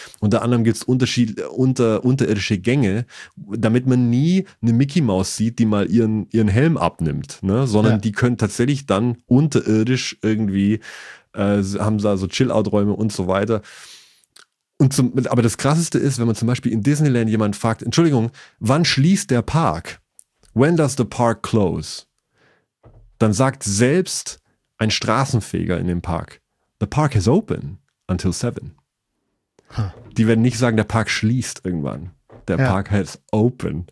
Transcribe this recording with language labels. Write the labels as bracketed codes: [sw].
[de] Unter anderem gibt es unterirdische Gänge, damit man nie eine Mickey Maus sieht, die mal ihren Helm abnimmt, ne? Sondern ja. Die können tatsächlich dann unterirdisch irgendwie, haben da so Chill-Out-Räume und so weiter. Und aber das Krasseste ist, wenn man zum Beispiel in Disneyland jemanden fragt, Entschuldigung, wann schließt der Park? [en] When does the park close? [de] Dann sagt selbst ein Straßenfeger in dem Park, [en] the park is open until 7. Huh. [de] Die werden nicht sagen, der Park schließt irgendwann. Der Park [en] has open.